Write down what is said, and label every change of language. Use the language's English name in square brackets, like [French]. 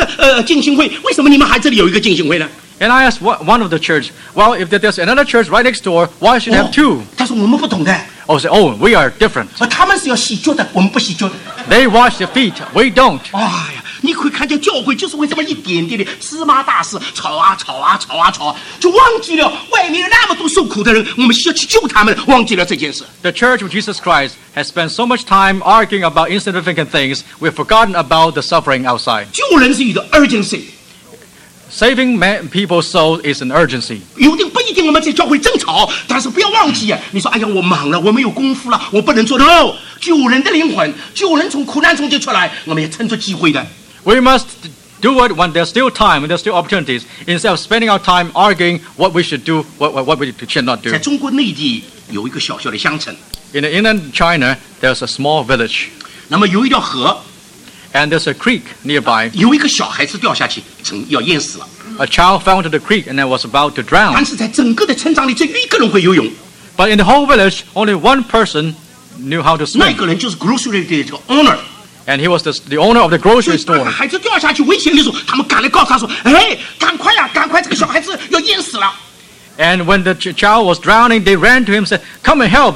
[Chinese] 我就问他们，我说，既然那一边也是个浸信会，为什么你们还这里有一个浸信会呢？ [English] And I asked one of the church, well, if there's another church right next door, why should have two? [Chinese] 但是我们不懂的。 [English] Oh, say, oh, we are different. [Chinese] 他们是要洗脚的，我们不洗脚。 [English] They wash their feet, we don't. [Chinese] 哎呀，你会看见教会就是为这么一点点的芝麻大事吵啊吵啊吵啊吵啊吵，就忘记了外面有那么多受苦的人，我们需要去救他们，忘记了这件事。 [English] The Church of Jesus Christ has spent so much time arguing about insignificant things, we've forgotten about the suffering outside. [Chinese] 救人是一个urgency. [English] Saving people's soul is an urgency. [Chinese] 有的不一定我们在教会争吵，但是不要忘记啊！你说，哎呀，我忙了，我没有功夫了，我不能做的哦。救人的灵魂，救人从苦难中间出来，我们也趁着机会的。 [English] We must do it when there's still time, there's still opportunities. Instead of spending our time arguing what we should do, what we should not do. [Chinese] 在中国内地有一个小小的乡城。 [English] In the inland China, there's a small village. [Chinese] 那么有一条河。 [English] And there's a creek nearby. [Chinese] 有一个小孩子掉下去，要淹死了。 [English] A child fell into the creek and then was about to drown. [Chinese] 但是在整个的村庄里，只有一个人会游泳。 [English] But in the whole village, only one person knew how to swim. [Chinese] 那个人就是grocery的这个owner。 [English] And he was the owner of the grocery store. [Chinese] 孩子掉下去，危险的时候，他们赶来告诉他说：“哎，赶快呀，赶快！这个小孩子要淹死了。” [English] And when the child was drowning, they ran to him and said, "Come and help!